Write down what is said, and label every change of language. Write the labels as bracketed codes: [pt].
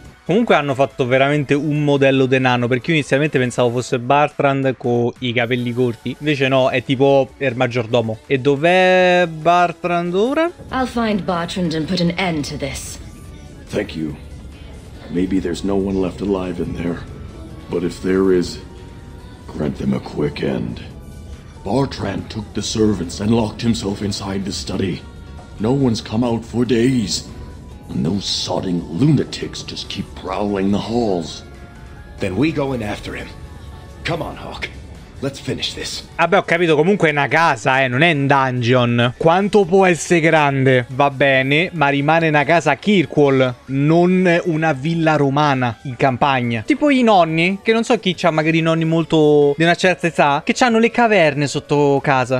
[it] Comunque hanno fatto veramente un modello de nano, perché io inizialmente pensavo fosse Bartrand con i capelli corti. Invece no, è tipo il maggiordomo. E dov'è Bartrand ora? [en] I'll find Bartrand and put an end to this. Thank you. Maybe there's no one left alive in there. But if there is, grant them a quick end. Bartrand took the servants and locked himself inside the study. No one's come out for days. And those sodding lunatics just keep prowling the halls. Then we go in after him. Come on, Hawk. Let's finish this. [it] Vabbè, ho capito, comunque è una casa, non è un dungeon. Quanto può essere grande? Va bene, ma rimane una casa Kirkwall, non una villa romana in campagna. Tipo i nonni, che non so chi c'ha, magari nonni molto di una certa età, che c'hanno le caverne sotto casa.